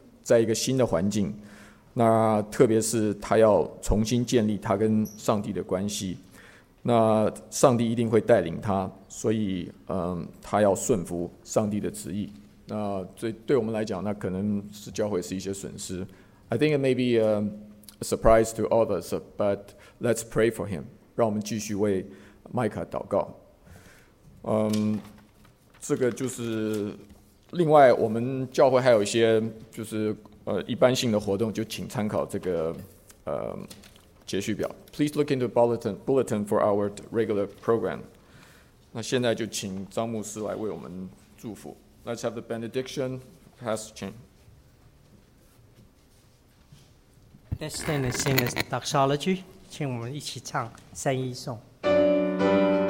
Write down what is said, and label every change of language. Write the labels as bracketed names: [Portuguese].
[Chinese] 在一个新的环境，那特别是他要重新建立他跟上帝的关系，那上帝一定会带领他，所以他要顺服上帝的旨意。那对我们来讲，那可能是教会是一些损失。 [English] I think it may be a surprise to all of us, but let's pray for him. [Chinese] 让我们继续为麦卡祷告。这个就是。另外我们教会还有一些就是一般性的活动，就请参考这个接续表。 [English] Please look into bulletin for our regular program. [Chinese] 那现在就请张牧师来为我们祝福。 [English] Let's have the benediction, Pastor Chen. Let's stand and sing the doxology. [Chinese] 请我们一起唱三一颂。